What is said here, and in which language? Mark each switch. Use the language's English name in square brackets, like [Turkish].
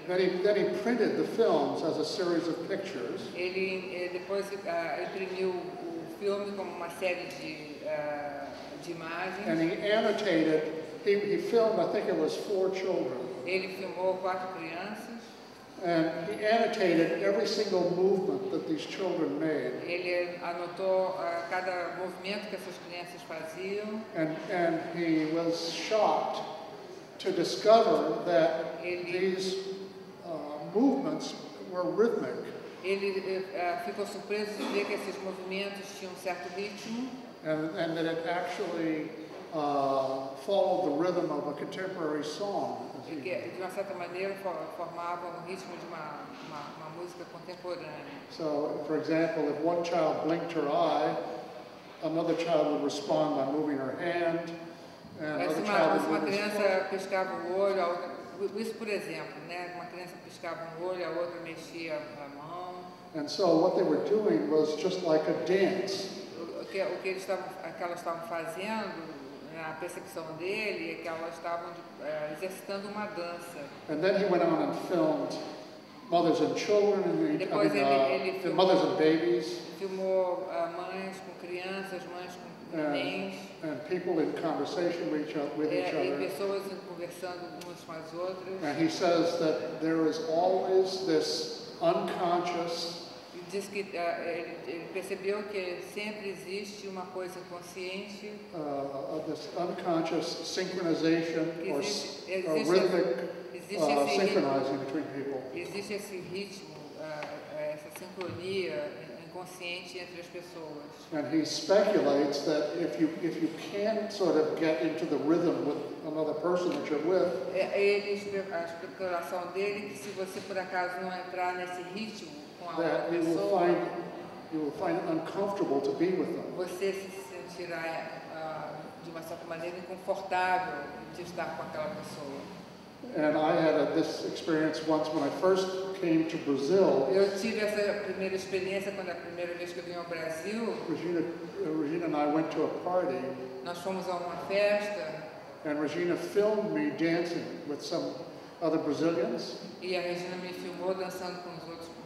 [English] Then he printed the films as a series of pictures. [Portuguese] Ele depois imprimiu o filme como uma série de imagens. [English] And he annotated. He filmed. I think it was four children. [Portuguese] Ele filmou quatro crianças. [English] And he annotated every single movement that these children made. [Portuguese] Ele anotou cada movimento que essas crianças faziam. [English] And he was shocked to discover that these movements were rhythmic. [Portuguese] Ele ficou surpreso de ver que esses movimentos tinham um certo ritmo. [English] And that it actually followed the rhythm of a contemporary song. [Portuguese] De uma certa maneira formava o ritmo de uma música contemporânea. [English] So, for example, if one child blinked her eye, another child would respond by moving her hand, and [Portuguese] uma criança piscava um olho, a outra mexia a mão. [English] And so what they were doing was just like a dance. [Portuguese] Aquelas estavam fazendo na percepção dele é que elas estavam exercitando uma dança. [English] And then he went on and filmed mothers and children and mothers and babies. [Portuguese] Filmou mães com crianças, mães com nenéns. [English] And people in conversation with each other. [Portuguese] E pessoas conversando umas com as outras. [English] And he says that there is always this unconscious. [Portuguese] Diz que ele percebeu que sempre existe uma coisa consciente, [English] this unconscious synchronization or rhythmic synchronizing between people. [Portuguese] Existe esse ritmo, essa sincronia inconsciente entre as pessoas. [English] And he speculates that if you can't sort of get into the rhythm with another person that you're with. [Portuguese] A especulação dele é que se você por acaso não entrar nesse ritmo [English] that you will find it uncomfortable to be with them. [Portuguese] Você se sentirá de uma certa maneira inconfortável de estar com aquela pessoa. [English] And I had this experience once when I first came to Brazil. [Portuguese] Eu tive essa primeira experiência quando a primeira vez que eu vim ao Brasil. [English] Regina and I went to a party. [Portuguese] Nós fomos a uma festa. [English] And Regina filmed me dancing with some other Brazilians. [Portuguese] E a Regina me filmou dançando com os outros.